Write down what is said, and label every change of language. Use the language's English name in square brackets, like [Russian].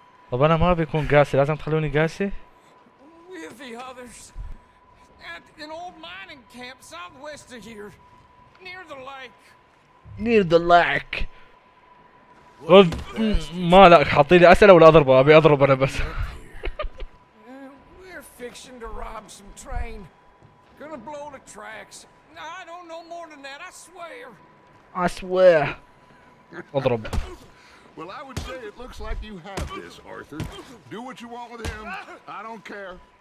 [Arabic] طب انا ما بيكون قاسي، لازم تخلوني قاسي. [English] The others at an old mining camp southwest of here, near the lake. Near the lake. What? [Arabic] ما لك حاطي لي أسئلة ولا أضربه؟ أبي أضرب أنا بس. [English] We're fixing to rob some train. Gonna blow the tracks. I don't know more than that. I swear. I swear. [Arabic] أضرب. [English] Well, I would say it looks like you have this, Arthur. Do what you want with him. I don't care.